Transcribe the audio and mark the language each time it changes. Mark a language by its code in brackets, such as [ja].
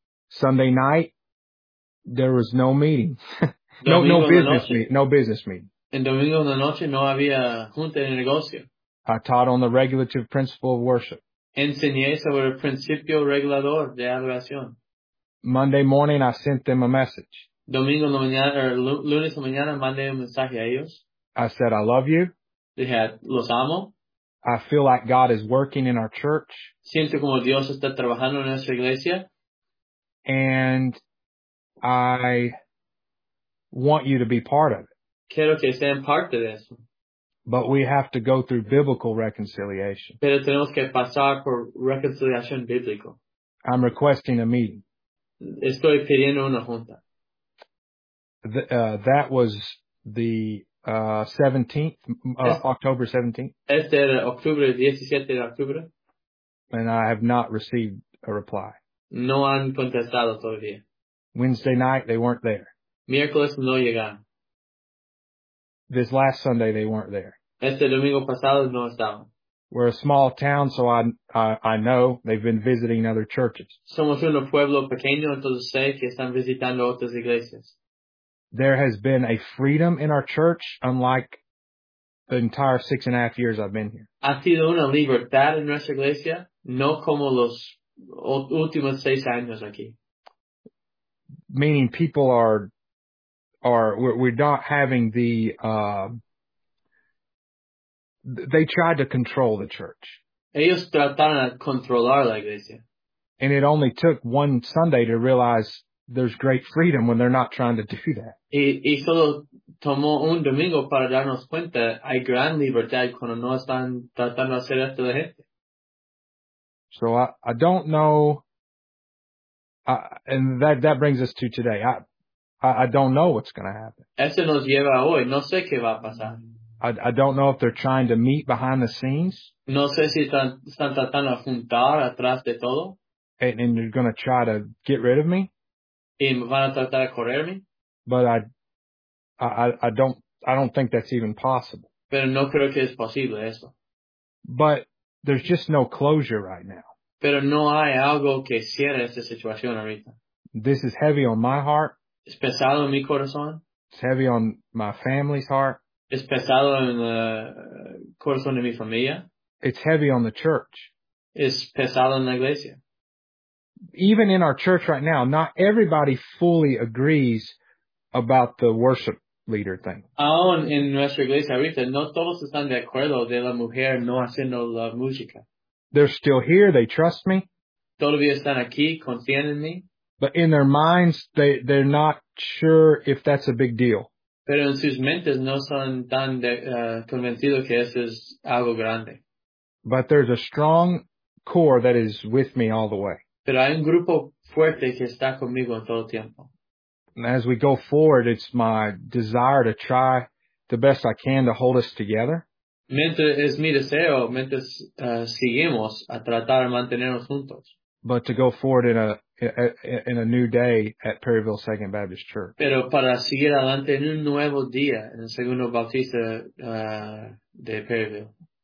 [en] Sunday night, there was no meeting. No business meeting. [es] En domingo de noche no había junta de negocio. [en] I taught on the regulative principle of worship. [es] Enseñé sobre el principio regulador de adoración. [en] Monday morning, I sent them a message. [es] domingo en la mañana, or lunes en la mañana, mandé un mensaje a ellos. [en] I said, I love you. [es] Dije, los amo. [en] I feel like God is working in our church. [es] Siento como Dios está trabajando en nuestra iglesia. [en] And I want you to be part of it. [es] Quiero que sean parte de eso. [en] But we have to go through biblical reconciliation. [es] Pero tenemos que pasar por reconciliación bíblica. [en] I'm requesting a meeting. [es] Estoy pidiendo una junta. [en] That was the 17th, October [es] 17th. Este era octubre, 17 de octubre. [en] And I have not received a reply. [es] No han contestado todavía. [en] Wednesday night, they weren't there. [es] Miércoles no llegaron. [en] This last Sunday, they weren't there. [es] Este domingo pasado no estaban. [en] We're a small town, so I know they've been visiting other churches. [es] Somos un pueblo pequeño, entonces sé que están visitando otras iglesias. [en] There has been a freedom in our church, unlike the entire 6.5 years I've been here. [es] Ha sido una libertad en nuestra iglesia, no como los últimos 6 años aquí. [en] Meaning people we're not having the, they tried to control the church. [es] Ellos trataron de controlar la iglesia. [en] And it only took one Sunday to realize there's great freedom when they're not trying to do that. [es] Y solo tomó un domingo para darnos cuenta hay gran libertad cuando no están tratando de hacer esto la gente. [en] So I don't know, and that brings us to today. I don't know what's going to happen. [es] Eso nos lleva hoy. No sé qué va a pasar. [en] I don't know if they're trying to meet behind the scenes. [es] No sé si están tratando de juntar atrás de todo. [en] And they're going to try to get rid of me. [es] Y me van a tratar de correrme. [en] But I don't think that's even possible. [es] Pero no creo que es posible eso. [en] But there's just no closure right now. [es] Pero no hay algo que cierre esta situación ahorita. [en] This is heavy on my heart. [es] Es pesado en mi corazón. [en] It's heavy on my family's heart. [es] Es pesado en el corazón de mi familia. [en] It's heavy on the church. [es] Es pesado en la iglesia. [en] Even in our church right now, not everybody fully agrees about the worship leader thing. [es] Aún en nuestra iglesia ahorita, no todos están de acuerdo de la mujer no haciendo la música. [en] They're still here. They trust me. [es] Todavía están aquí. Confían en mí. [en] But in their minds, they're not sure if that's a big deal. [es] Pero en sus mentes no son tan convencidos que eso es algo grande. [en] But there's a strong core that is with me all the way. [es] Pero hay un grupo fuerte que está conmigo en todo tiempo. [en] And as we go forward, it's my desire to try the best I can to hold us together. [es] Mientras es mi deseo, mientras seguimos a tratar de mantenernos juntos. [en] But to go forward in a new day at Perryville Second Baptist Church. [es] Pero para seguir adelante en un nuevo día en el segundo bautista de Perryville.